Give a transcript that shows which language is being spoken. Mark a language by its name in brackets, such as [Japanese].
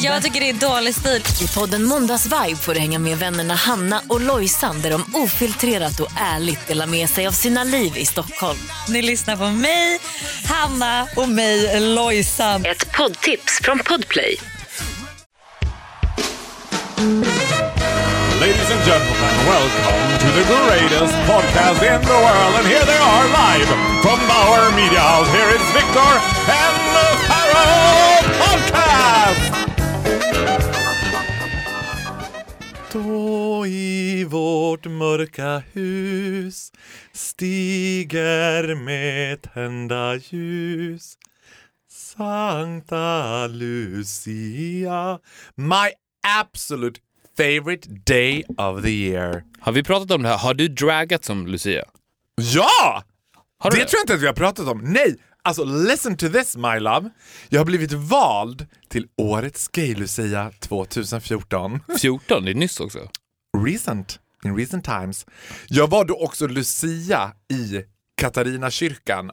[Swedish] Jag tycker det är dålig stil. I podden Måndags Vibe får du hänga med vännerna Hanna och Lojsan, där de ofiltrerat och ärligt delar med sig av sina liv i Stockholm. Ni lyssnar på mig, Hanna och mig, Lojsan. Ett poddtips från Podplay. [English] Ladies and gentlemen, welcome to the greatest podcast in the world. And here they are, live from Bauer Media House. Here is Victor and the Harold Podcast. [Swedish] Då i vårt mörka hus stiger med tända ljus Santa Lucia, [English] my absolute favorite day of the year. [Swedish] Har vi pratat om det här? Har du draggat som Lucia? Ja! Har du det? Tror jag inte att vi har pratat om. Nej, alltså [English] listen to this, my love. [Swedish] Jag har blivit vald till årets gay Lucia 2014. 14, det är nyss också. [English] Recent, in recent times. [Swedish] Jag var då också Lucia i Katarina kyrkan.